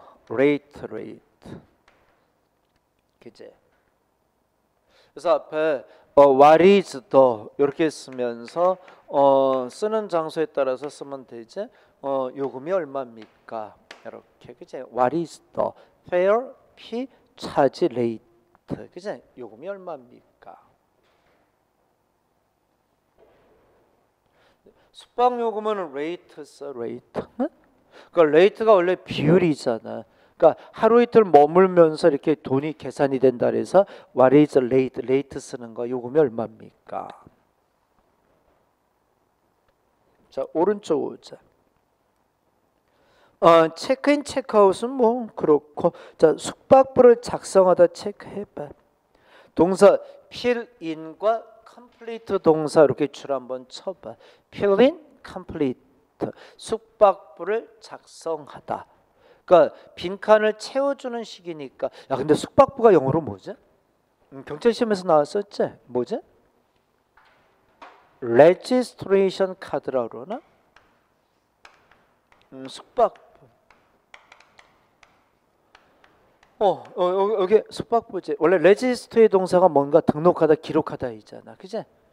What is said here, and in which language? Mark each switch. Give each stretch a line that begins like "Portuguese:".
Korean: 레이트. 그제 그래서 앞에
English: what is the
Korean: 이렇게 쓰면서 쓰는 장소에 따라서 쓰면 되지. 요금이 얼마입니까? 이렇게 그제
English: what is the fare fee charge rate
Korean: 그제 요금이 얼마입니까? 숙박 요금은 rate죠, rate. 그러니까 rate가 원래 비율이잖아. 그러니까 하루 이틀 머물면서 이렇게 돈이 계산이 된다 그래서
English: what is the rate?
Korean: rate 쓰는 거 요금이 얼마입니까? 자, 오른쪽 오자. 체크인 체크아웃은 뭐 그렇고 자, 숙박부를 작성하다 체크해 봐. 동사 fill in과 complete 동사 이렇게 줄 한번 쳐 봐. fill in complete 숙박부를 작성하다. 그러니까 빈칸을 채워주는 식이니까 야 근데 숙박부가 영어로 뭐지? 경찰 시험에서 나왔었지? 뭐지? registration card라고 그러나? 숙박부 여기 숙박부지 원래 register의 동사가 뭔가 등록하다 기록하다 있잖아 그치?